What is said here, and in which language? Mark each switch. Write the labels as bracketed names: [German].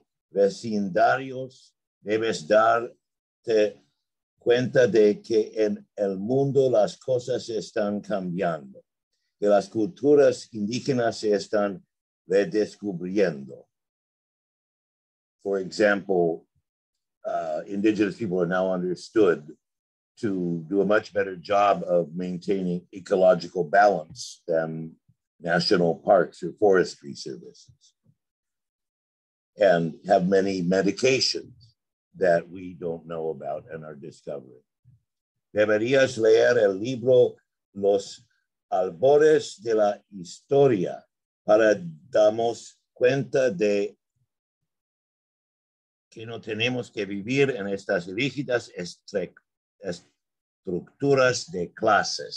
[Spanish] vecindarios, debes darte cuenta de que en el mundo las cosas están cambiando, que las culturas indígenas se están redescubriendo. [English] For example, indigenous people are now understood to do a much better job of maintaining ecological balance than national parks or forestry services, and have many medications that we don't know about and are discovering. [Spanish] Deberías leer el libro Los Albores de la Historia para darnos cuenta de que no tenemos que vivir en estas rígidas estructuras de clases.